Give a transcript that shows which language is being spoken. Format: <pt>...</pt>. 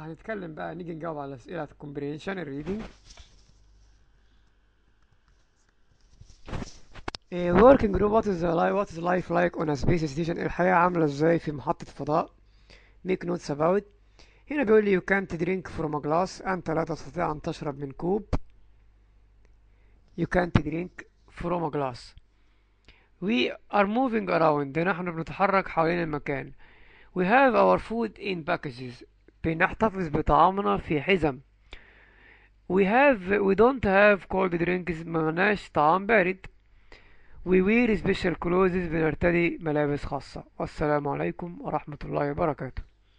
<ar>هنتكلم بقى، نيجي نجاوب على أسئلة</ar> <en>comprehension reading working group. What is life like on a space station؟</en> <ar>الحياة عاملة ازاي في محطة الفضاء؟</ar> <en>make notes about.</en> <ar>هنا بيقول لي</ar> <en>you can't drink from a glass،</en> <ar>انت لا تستطيع ان تشرب من كوب.</ar> <en>you can't drink from a glass. we are moving around،</en> <ar>نحن بنتحرك حوالين المكان.</ar> <en>we have our food in packages،</en> <ar>بنحتفظ بطعامنا في حزم.</ar> <en>we don't have cold drinks،</en> <ar>ما لناش طعام بارد.</ar> <en>we wear special clothes،</en> <ar>بنرتدي ملابس خاصة. والسلام عليكم ورحمة الله وبركاته.</ar>